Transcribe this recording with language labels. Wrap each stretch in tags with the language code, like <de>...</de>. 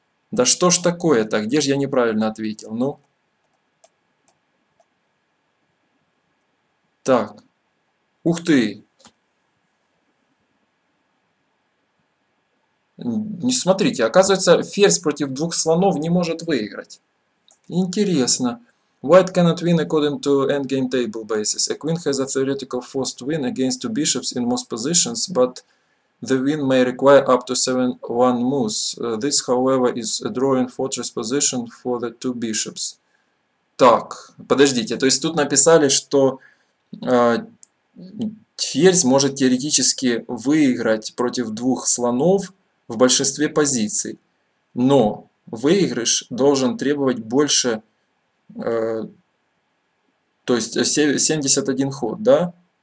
<ru>Да что ж такое-то? Где же я неправильно ответил? Ну. Так. Ух ты! Не смотрите, оказывается, ферзь против двух слонов не может выиграть. Интересно.</ru> <en>White cannot win according to endgame table basis. A queen has a theoretical forced win against two bishops in most positions, but the win may require up to 7-1 moves. This, however, is a drawing fortress position for the two bishops.</en> <ru>Так, подождите. То есть тут написали, что ферзь может теоретически выиграть против двух слонов в большинстве позиций. Но выигрыш должен требовать больше, то есть 71 ход, да?</ru>